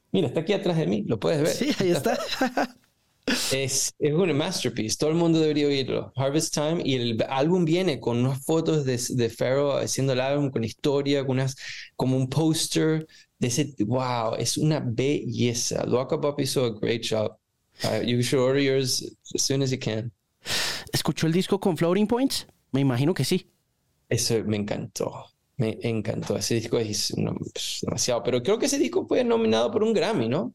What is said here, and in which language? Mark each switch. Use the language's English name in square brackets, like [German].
[Spanish] Mira, está aquí atrás de mí, lo puedes ver. Sí, ahí está. Es una masterpiece, todo el mundo debería oírlo. Harvest Time, y el álbum viene con unas fotos de Pharoah haciendo el álbum, con historia, como un póster de ese. Wow, es una belleza. Dwaka Bob hizo [English] a great job. You should order yours as soon as you can. [Spanish] ¿Escuchó el disco con Floating Points? Me imagino que sí. Eso me encantó. Me encantó. Ese disco es demasiado. Pero creo que ese disco fue nominado por un Grammy, ¿no?